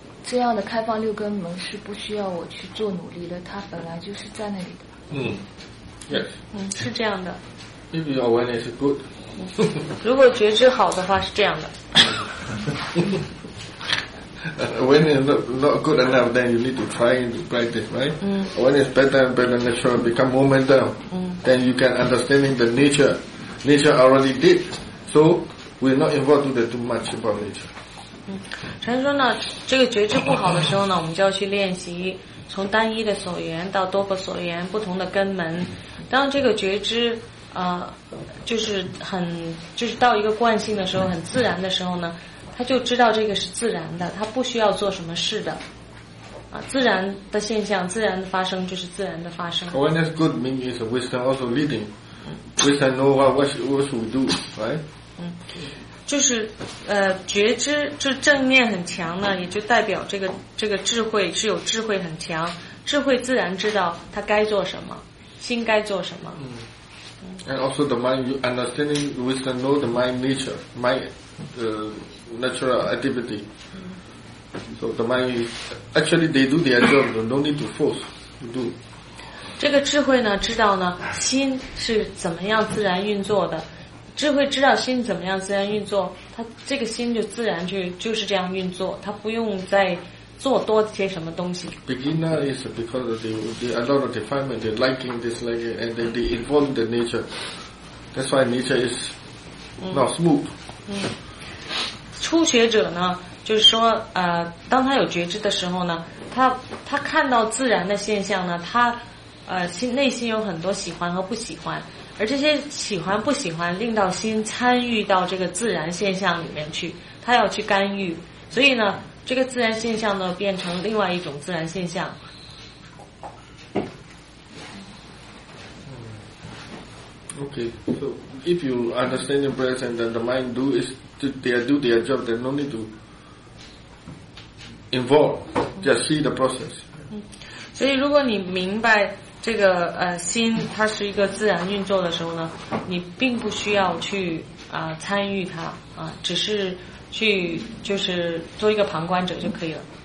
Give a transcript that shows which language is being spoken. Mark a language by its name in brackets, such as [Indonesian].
[Chinese] 这样的开放六根门是不需要我去做努力的，它本来就是在那里的。是这样的。 [English] Maybe your awareness is good. [Chinese] 如果觉知好的话是这样的。 [English] Awareness not good enough, then you need to try and practice, right? Awareness better and better nature become momentum. Then you can understanding the nature. Nature already did. So we're not involved with too much about nature. [Chinese] 陈说呢，这个觉知不好的时候呢，我们就要去练习从单一的所缘到多个所缘，不同的根门。当这个觉知就是到一个惯性的时候，很自然的时候呢，他就知道这个是自然的，他不需要做什么事的啊，自然的现象，自然的发生就是自然的发生。 [English] When that's good, means wisdom also leading. Wisdom know what should we do, right? [Chinese] 就是觉知这正念很强呢，也就代表这个智慧是有智慧很强，智慧自然知道他该做什么，心该做什么。 [English] And also the mind, you understanding wisdom know the mind nature, mind natural activity. So the mind actually they do their job, no need to force to do. [Chinese] 这个智慧呢，知道呢心是怎么样自然运作的。智慧知道心怎么样自然运作，他这个心就自然就是这样运作，他不用再做多些什么东西。 [English] Beginner is because they a lot of defilement, they liking, disliking, and they involve the nature. That's why nature is not smooth. [Chinese] 初学者呢，就是说当他有觉知的时候呢，他看到自然的现象呢，他内心有很多喜欢和不喜欢。而这些喜欢不喜欢令到心参与到这个自然现象里面去，他要去干预，所以呢这个自然现象呢变成另外一种自然现象。 [English] Okay, so if you understand the breath and then the mind do is they do their job, then no need to involve, just see the process. [Chinese] 所以如果你明白这个心它是一个自然运作的时候呢，你并不需要去参与它啊，只是去就是做一个旁观者就可以了。